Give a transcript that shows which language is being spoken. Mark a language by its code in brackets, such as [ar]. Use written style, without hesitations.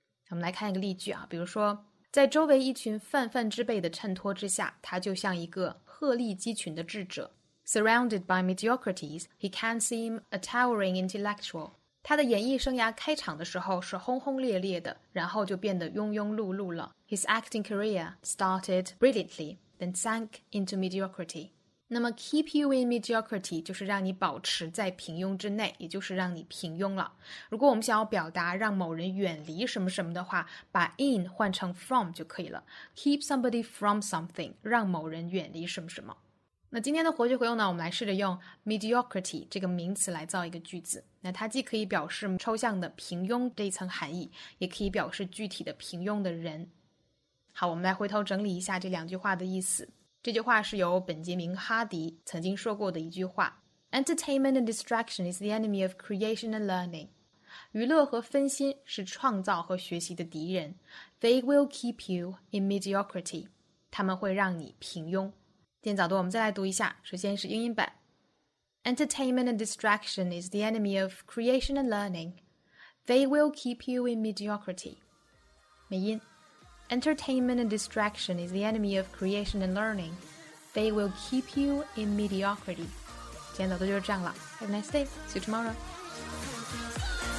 [zh] 我们来看一个例句啊，比如说在周围一群泛泛之辈的衬托之下，他就像一个鹤立鸡群的智者。 [en] Surrounded by mediocrities, he can seem a towering intellectual. [zh] 他的演艺生涯开场的时候是轰轰烈烈的，然后就变得庸庸碌碌了。 [en] His acting career started brilliantly, then sank into mediocrity. [zh] 那么 [en] keep you in mediocrity [zh] 就是让你保持在平庸之内，也就是让你平庸了。如果我们想要表达让某人远离什么什么的话，把 in 换成 from 就可以了。 [en] keep somebody from something， [zh] 让某人远离什么什么。那今天的活学活用呢，我们来试着用 mediocrity 这个名词来造一个句子。那它既可以表示抽象的平庸这一层含义，也可以表示具体的平庸的人。好，我们来回头整理一下这两句话的意思。这句话是由本杰明·哈迪曾经说过的一句话。 [en] Entertainment and distraction is the enemy of creation and learning. [zh] 娱乐和分心是创造和学习的敌人。 [en] They will keep you in mediocrity. [zh] 他们会让你平庸。今天早读我们再来读一下，首先是英音版。 [en] Entertainment and distraction is the enemy of creation and learning. They will keep you in mediocrity. [zh] 美音。 [en] Entertainment and distraction is the enemy of creation and learning. They will keep you in mediocrity. [zh] 今天早读就是这样了。 [en] Have a nice day. See you tomorrow.